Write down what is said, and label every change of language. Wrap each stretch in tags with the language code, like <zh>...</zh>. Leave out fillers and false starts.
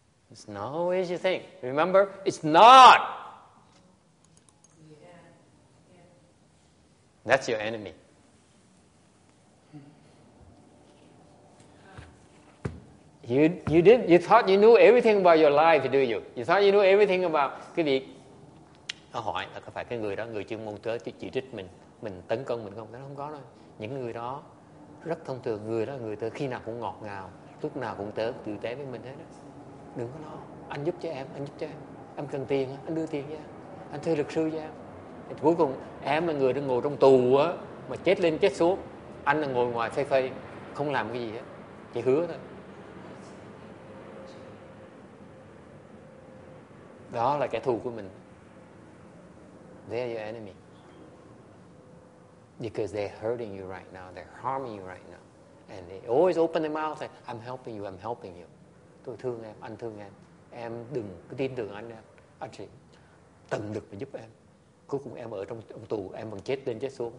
<en>It's not always you think. Remember, it's not. Yeah. That's your enemy. You thought you knew everything about your life, do you? You thought you knew everything about</en> <vi>cái việc. Nó hỏi là có phải cái người đó người chuyên môn tới chỉ trích mình tấn công mình không? Nó không có đâu. Những người đó rất thông thường, người đó người tới khi nào cũng ngọt ngào, lúc nào cũng tới tử tế với mình hết đó. Đừng có lo, anh giúp cho em. Em cần tiền, anh đưa tiền cho em. Anh thuê luật sư cho em. Thì cuối cùng em là người đang ngồi trong tù á, mà chết lên chết xuống. Anh là ngồi ngoài phê phê, không làm cái gì hết. Chỉ hứa thôi. Đó là kẻ thù của mình.</vi> <en>They are your enemy. Because they're hurting you right now. They're harming you right now. And they always open their mouth and say, I'm helping you.</en> <vi>Tôi thương em, anh thương em. Em đừng cứ tin tưởng anh em. Anh chỉ tận lực mà giúp em. Cuối cùng em ở trong tù, em vẫn chết lên chết xuống.</vi>